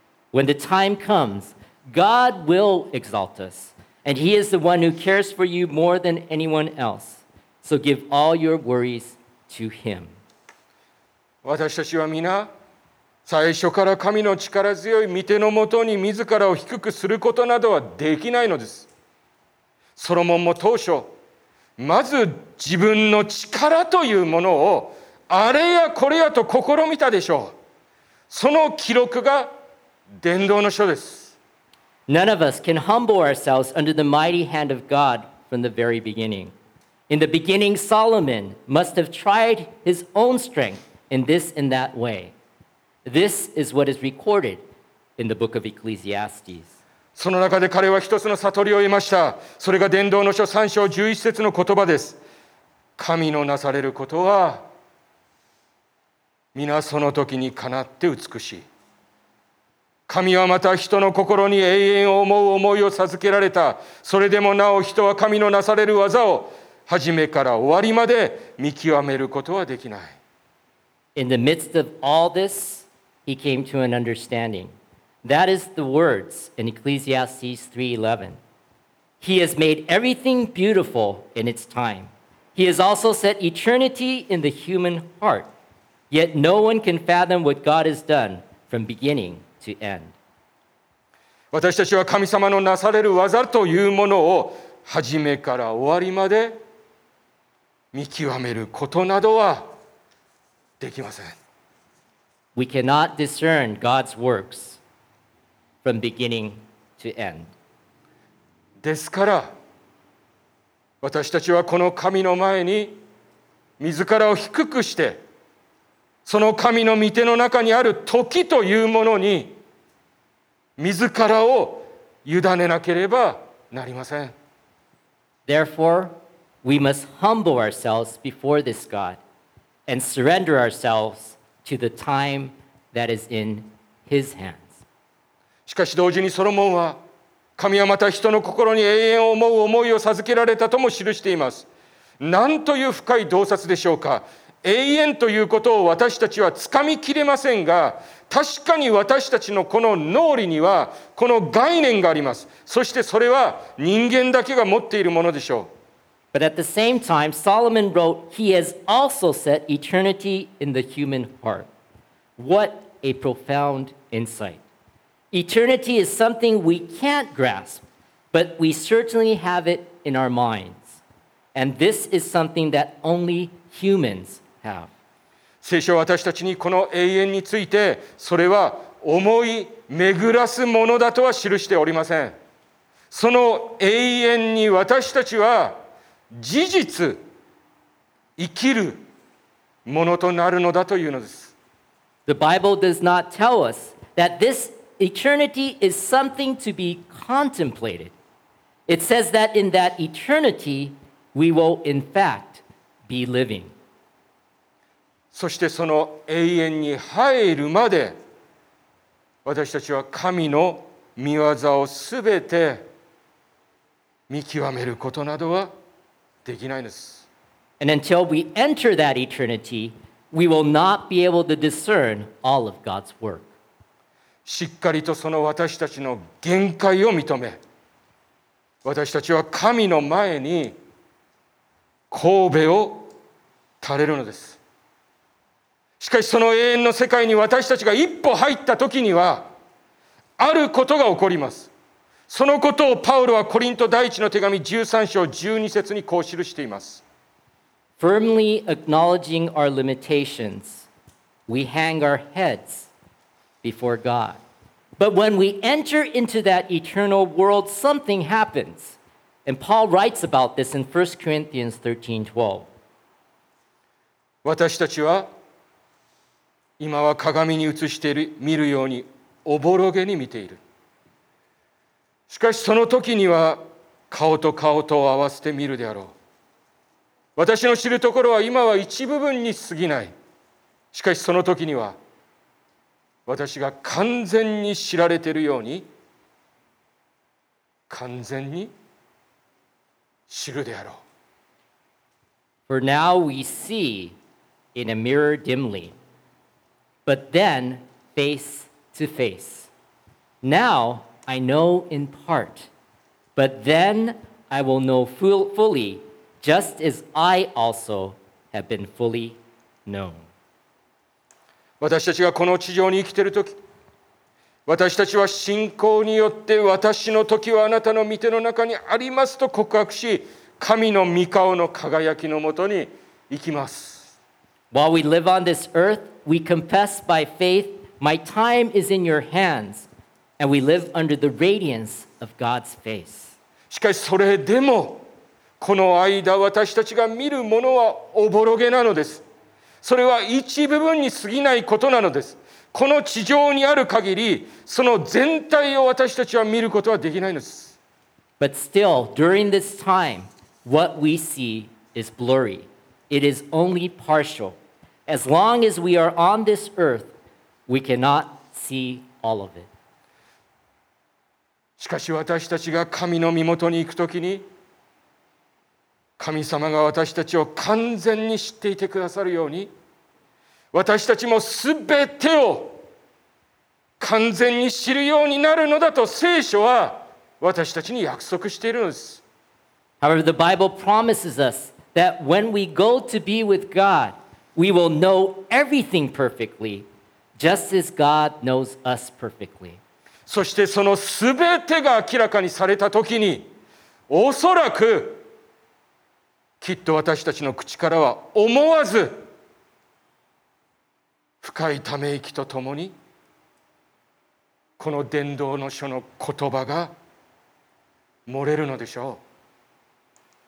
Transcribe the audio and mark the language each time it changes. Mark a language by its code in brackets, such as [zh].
[en] When the time comes, God will exalt us. And he is the one who cares for you more than anyone else. So give all your worries to him. [ja] 私たちは皆、最初から神の力強い御手のもとに自らを低くすることなどはできないのです。ソロモンも当初、まず自分の力というものをあれやこれやと試みたでしょう。その記録が伝道の書です。 [en] None of us can humble ourselves under the mighty hand of God from the very beginning. In the beginning, Solomon must have tried his own strength in this and that way. This is what is recorded in the book of Ecclesiastes. [ja] その中で彼は一つの悟りを得ました。それが伝道の書3章11節の言葉です。神のなされることは、皆その時にかなって美しい。神はまた人の心に永遠を思う思いを授けられた。それでもなお人は神のなされる技を始めから終わりまで見極めることはできない。 [en] In the midst of all this, he came to an understanding. That is the words in Ecclesiastes 3:11. He has made everything beautiful in its time. He has also set eternity in the human heart. Yet no one can fathom what God has done from beginning.To end. [ja] 私たちは神様のなされる技というものを始めから終わりまで見極めることなどはできません。 [en] We cannot discern God's works from beginning to end. [ja] ですから私たちはこの神の前に自らを低くして、その神の御手の中にある時というものに自らを委ねなければなりません。 [en] Therefore, we must humble ourselves before this God and surrender ourselves to the time that is in His hands. [ja] しかし同時にソロモンは、神はまた人の心に永遠を思う思いを授けられたとも記しています。なんという深い洞察でしょうか。永遠ということを私たちはつかみきれませんが、確かに私たちのこの脳裏にはこの概念があります。そしてそれは人間だけが持っているものでしょう。 [en] But at the same time, Solomon wrote, he has also set eternity in the human heart. What a profound insight. Eternity is something we can't grasp, but we certainly have it in our minds. And this is something that only humans have. [ja] 聖書は私たちにこの永遠について、それは思い巡らすものだとは記しておりません。その永遠に私たちは事実生きるものとなるのだというのです。 [en] The Bible does not tell us that this eternity is something to be contemplated. It says that in that eternity we will in fact be living. [ja] そしてその永遠に入るまで、私たちは神の御業をすべて見極めることなどはできないんです。 [en] And until we enter that eternity, we will not be able to discern all of God's work. [ja] しっかりとその私たちの限界を認め、私たちは神の前に頭を垂れるのです。しかしその永遠の世界に私たちが一歩入った時には、あることが起こります。そのことをパウロはコリント第一の手紙13章12節にこう記しています。 [en] Firmly acknowledging our limitations, we hang our heads before God. But when we enter into that eternal world, something happens. And Paul writes about this in 1 Corinthians 13:12. [ja] 私たちは今は鏡に映している見るようにおぼろげに見ている。しかしその時には顔と顔とを合わせて見るであろう。私の知るところは今は一部分に過ぎない。しかしその時には私が完全に知られているように完全に知るであろう。 [en] For now we see in a mirror dimly. But then, face to face. Now I know in part, but then I will know fully, just as I also have been fully known. [ja] 私たちがこの地上に生きているとき、私たちは信仰によって私の時はあなたの御手の中にありますと告白し、神の御顔の輝きのもとに行きます。 [en] While we live on this earth,We confess by faith, my time is in your hands, and we live under the radiance of God's face. [ja] しかしそれでもこの間私たちが見るものはおぼろげなのです。それは一部分に過ぎないことなのです。この地上にある限り、その全体を私たちは見ることはできないのです。 [en] But still, during this time, what we see is blurry. It is only partial. As long as we are on this earth, we cannot see all of it. [ja] しかし私たちが神の御元に行くときに、神様が私たちを完全に知っていてくださるように、私たちもすべてを完全に知るようになるのだと聖書は私たちに約束しているのです。 [en] However, the Bible promises us that when we go to be with God,We will know everything perfectly, just as God knows us perfectly. [ja] そしてその全てが明らかにされた時に、おそらくきっと私たちの口からは思わず深いため息とともに、この伝道の書の言葉が漏れるのでしょう。